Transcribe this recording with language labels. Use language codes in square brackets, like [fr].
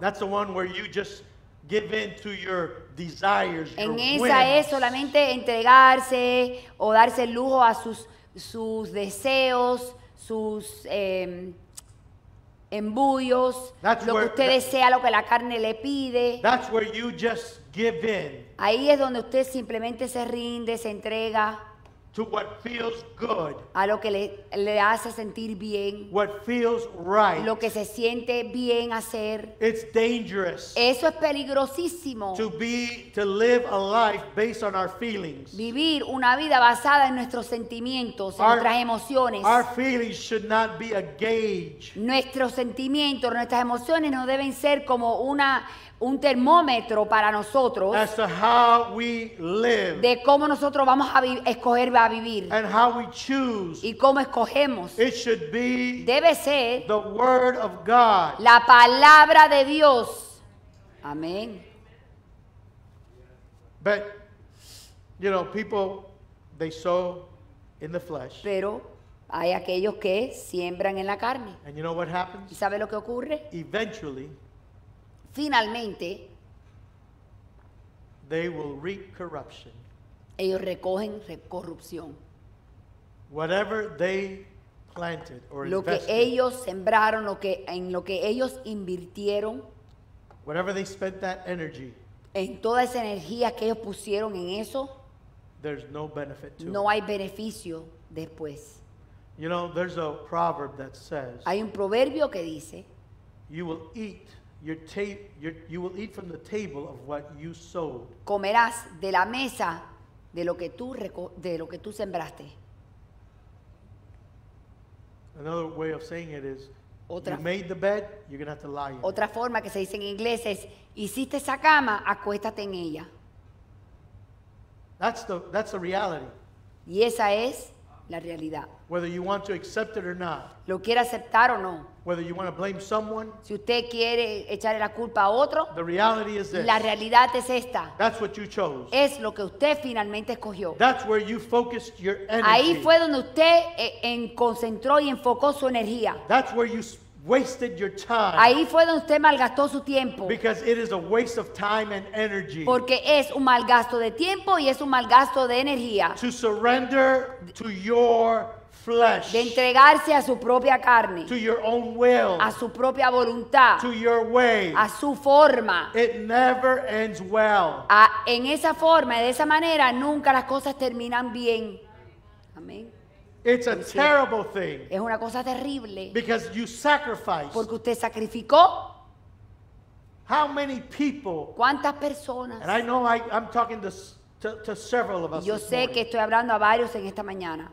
[en] That's the one where you just give in to your desires. [es] En [en] your [es] esa [en] whims. [es] Es solamente entregarse o darse el lujo a sus deseos, sus embullos, [en] that's [es] lo [en] where, [es] que usted desea, lo que la carne le pide. [en] That's where you just give in. [es] Ahí es donde usted simplemente se rinde, se entrega. [en] To what feels good. [es] A lo que le hace sentir bien. [en] What feels right. [es] Lo que se siente bien hacer. [en] It's dangerous. [es] Eso es peligrosísimo. [en] To live a life based on our feelings. [es] Vivir una vida basada en nuestros sentimientos, en nuestras emociones. [en] Our feelings should not be a gauge. [es] Nuestros sentimientos, nuestras emociones no deben ser como un termómetro para nosotros. [en] As to how we live. [es] De cómo nosotros vamos a escoger a vivir. [en] And how we choose. [es] Y cómo escogemos. [en] It should be. [es] Debe ser. [en] The word of God. [es] La palabra de Dios. Amén. [en] But, you know, people, they sow in the flesh. [es] Pero hay aquellos que siembran en la carne. [en] And you know what happens? [es] ¿Y sabe lo que ocurre? [en] Eventually. [es] Finalmente, [en] they will reap corruption. [es] Ellos recogen corrupción. [en] Whatever they planted or [es] lo que [en] invested, [es] ellos sembraron, lo que ellos invirtieron, [en] whatever they spent that energy, [es] en toda esa energía que ellos pusieron en eso, [en] there's no benefit to [es] no hay beneficio después. [en] You know, there's a proverb that says, [es] hay un proverbio que dice, [en] you will eat. You will eat from the table of what you sowed. [es] Comerás de la mesa de lo que tú sembraste. [en] Another way of saying it is, you made the bed, you're going to have to lie in it. [es] Otra forma que se dice en inglés es, hiciste esa cama, acuéstate en ella. [en] That's the reality. [es] Y esa es la realidad. [en] Whether you want to accept it or not. [es] Lo quiere aceptar o no. [en] Whether you want to blame someone. [es] Si usted quiere echarle la culpa a otro. [en] The reality is this. [es] La realidad es esta. [en] That's what you chose. [es] Es lo que usted finalmente escogió. [en] That's where you focused your energy. [es] Ahí fue donde usted concentró y enfocó su energía. [en] That's where you wasted your time. [es] Ahí fue donde usted malgastó su tiempo. [en] Because it is a waste of time and energy. [es] Porque es un malgasto de tiempo y es un malgasto de energía. [en] To surrender to your flesh, [es] de entregarse a su propia carne, [en] to your own will, [es] a su propia voluntad, [en] to your way, [es] a su forma. [en] It never ends well. [es] En esa forma, de esa manera, nunca las cosas terminan bien. Amén. [en] It's a terrible thing. [es] Es una cosa terrible. [en] Because you sacrificed. [es] Porque usted sacrificó. [en] How many people? [es] ¿Cuántas personas? [en] And I know I'm talking to several of us. [es] Yo sé que estoy hablando a varios en esta mañana.